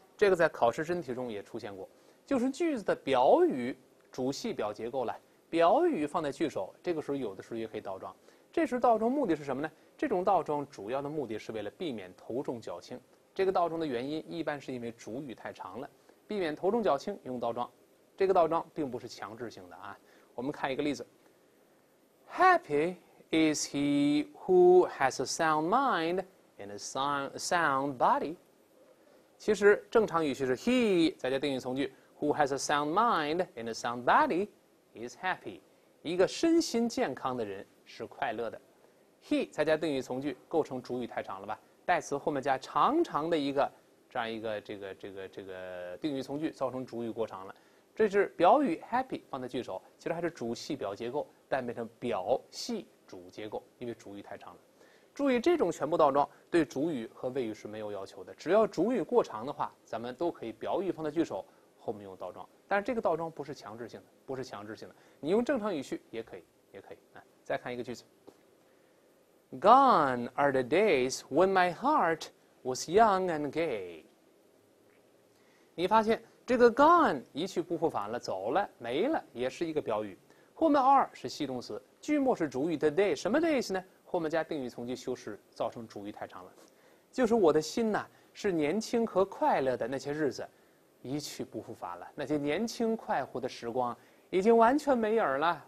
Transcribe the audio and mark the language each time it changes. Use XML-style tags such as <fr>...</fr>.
<zh>这个在考试真题中也出现过，就是句子的表语主系表结构了，表语放在句首，这个时候有的时候也可以倒装。这时倒装目的是什么呢？这种倒装主要的目的是为了避免头重脚轻。这个倒装的原因一般是因为主语太长了，避免头重脚轻用倒装。这个倒装并不是强制性的啊。我们看一个例子</zh> <en>：Happy is he who has a sound mind and a sound body。</en> <zh>其实正常语序是</zh> <en>he</en> <zh>再加定语从句</zh> <en>，who has a sound mind and a sound body is happy。</en> <zh>一个身心健康的人是快乐的。He 再加定语从句构成主语太长了吧？代词后面加长长的一个这样一个这个定语从句，造成主语过长了。这是表语 happy 放在句首，其实还是主系表结构，但变成表系主结构，因为主语太长了。注意这种全部倒装对主语和谓语是没有要求的，只要主语过长的话，咱们都可以表语放在句首，后面用倒装。但是这个倒装不是强制性的，不是强制性的，你用正常语序也可以，也可以。来，再看一个句子。</zh> <en>Gone are the days when my heart was young and gay。</en> <zh>你发现这个 gone 一去不复返了，走了，没了，也是一个表语。后面 are 是系动词，句末是主语 the day， 什么 days 呢？后面加定语从句修饰，造成主语太长了。就是我的心呢，是年轻和快乐的那些日子，一去不复返了。那些年轻快活的时光已经完全没影了。</zh>